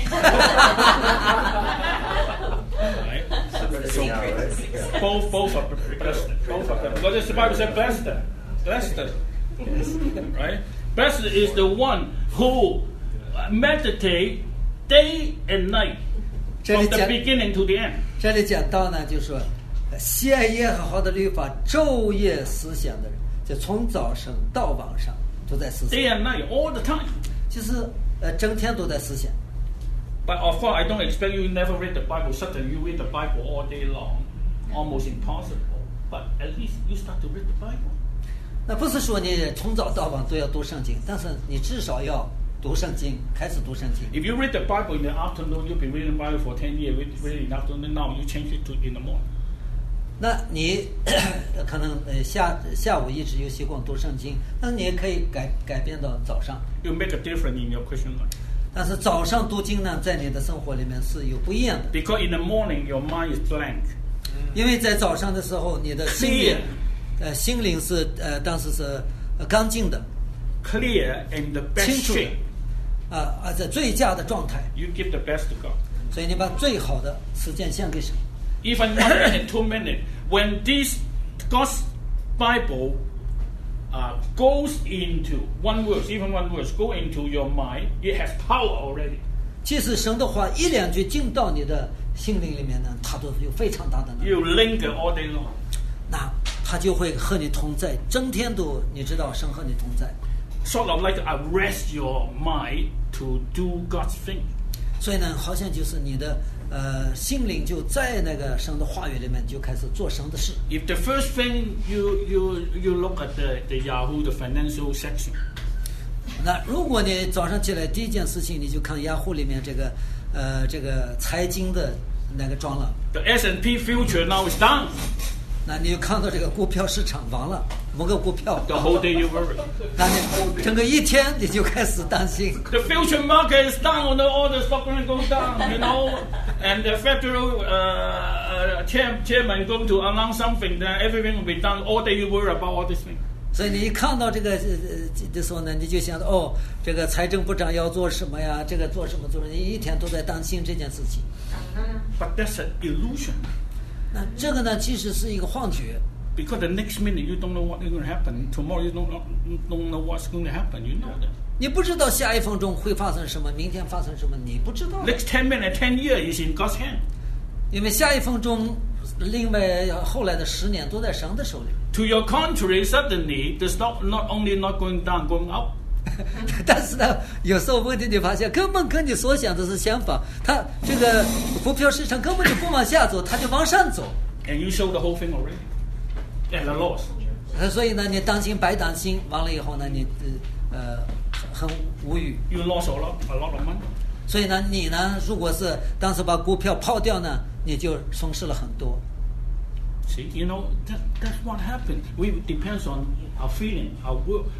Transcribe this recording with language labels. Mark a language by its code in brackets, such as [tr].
[en] Right? So both are blessed. Because the Bible says blessed. Right? Blessed is the one who meditate day and night from the beginning to the end. [zh] 这里讲到呢，就是说喜爱耶和华的律法，昼夜思想的人，就从早上到晚上都在思想。 [en] Day and night, all the time. [zh] 就是整天都在思想。 [en] But of course, I don't expect you never read the Bible. Certainly, you read the Bible all day long, almost impossible. But at least you start to read the Bible. [zh] 那不是说你从早到晚都要读圣经，但是你至少要读圣经，开始读圣经。 [en] If you read the Bible in the afternoon, you've been reading the Bible for 10 years. Read in the afternoon. Now you change it to in the morning. [zh] 那你可能下午一直有习惯读圣经，那你也可以改变到早上。 [en] You make a difference in your Christian life. [zh] 但是早上读经呢，在你的生活里面是有不一样的。 [en] Because in the morning your mind is blank. [zh] 因为在早上的时候，你的心里， [en] clear, [zh] 心灵是当时是干净的。 [en] Clear and the best shape. [zh] 清楚的。啊，在最佳的状态。 [en] You give the best to God. [zh] 所以你把最好的时间献给神。 [en] Even more than 2 minutes, when this God's Bible goes into one word, even one word, go into your mind, it has power already. [zh] 即使神的话一两句进到你的心灵里面呢，它都有非常大的能力。 [en] You linger all day long. [zh] 那它就会和你同在，整天都你知道神和你同在。 [en] Sort of like arrest your mind to do God's thing. [zh] 所以呢，好像就是你的。心灵就在那个神的话语里面就开始做神的事。 [en] If the first thing you look at the Yahoo, the financial section. [zh] 那如果你早上起来第一件事情你就看 Yahoo 里面这个这个财经的那个专栏。 [en] The S&P future now is down. [zh] 那你就看到这个股票市场完了，某个股票。 [en] The whole day you worry. [zh] 那你整个一天你就开始担心。 [en] The future market is down, all the stock market goes down, you know. And the federal chairman going to announce something, then everything will be done. All day you worry about all these things. [zh] 所以你一看到这个的时候呢，你就想到哦，这个财政部长要做什么呀？这个做什么做什么？你一天都在担心这件事情。 [en] But that's an illusion. [zh] 那这个呢，其实是一个幻觉。 [en] Because the next minute you don't know what is going to happen. Tomorrow you don't know what's going to happen. You know that. [zh] 你不知道下一分钟会发生什么，明天发生什么，你不知道。 [en] Next 10 minutes, 10 years is in God's hand. [zh] 因为下一分钟，另外后来的十年都在神的手里。 [en] To your contrary, suddenly the stock not only not going down, going up. [zh] 但是呢，有时候问题你发现根本跟你所想的是相反，它这个股票市场根本就不往下走，它就往上走。 [en] And you show the whole thing already at a loss. [zh] 所以呢，你担心白担心，完了以后呢，你很无语。 [en] You lost a lot of money. [zh] 所以呢，你呢，如果是当时把股票抛掉呢，你就损失了很多。 [en] See, you know that's what happened. We depends on our feeling, our will.